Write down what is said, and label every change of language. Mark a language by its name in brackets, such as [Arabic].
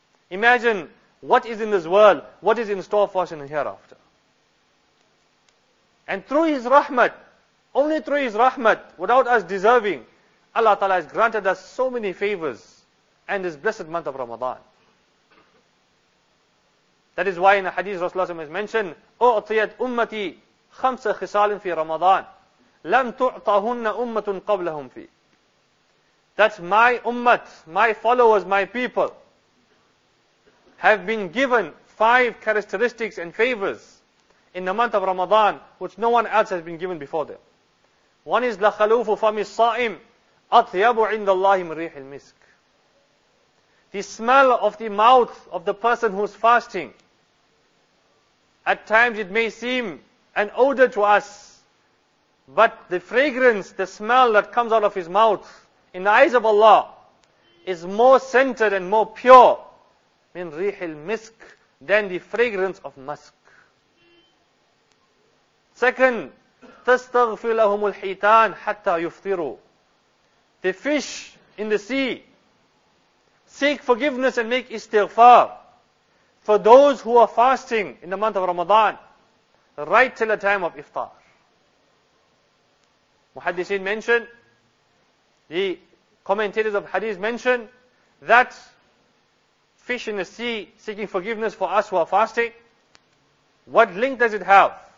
[English] Imagine what is in this world, what is in store for us in the hereafter. And through His rahmat, only through His rahmat, without us deserving, Allah Ta'ala has granted us so many favors and this blessed month of Ramadan. That is why in a hadith Rasulullah has mentioned, [Arabic] أُعْطِيَتْ أُمَّتِي خَمْسَ خِصَالٍ فِي رَمَضَانِ لَمْ تُعْطَهُنَّ أُمَّةٌ قَبْلَهُمْ فِي. [English] That's my ummat, my followers, my people, have been given five characteristics and favors in the month of Ramadan, which no one else has been given before them. One is [Arabic] لَخَلُوفُ فَمِ الصَّائِمِ أَطْيَبُ عِنْدَ اللَّهِ مِرِّيحِ الْمِسْكِ. [English] The smell of the mouth of the person who is fasting, at times it may seem an odor to us, but the fragrance, the smell that comes out of his mouth, in the eyes of Allah, is more scented and more pure [Arabic] مِنْ رِيحِ الْمِسْكِ [English] than the fragrance of musk. Second, [Arabic] تَسْتَغْفِرْ لَهُمُ الْحِيْتَانِ حَتَّى يُفْطِرُوا. [English] The fish in the sea seek forgiveness and make istighfar for those who are fasting in the month of Ramadan right till the time of iftar. Muhaddithin mention, the commentators of hadith mention that fish in the sea seeking forgiveness for us who are fasting, what link does it have?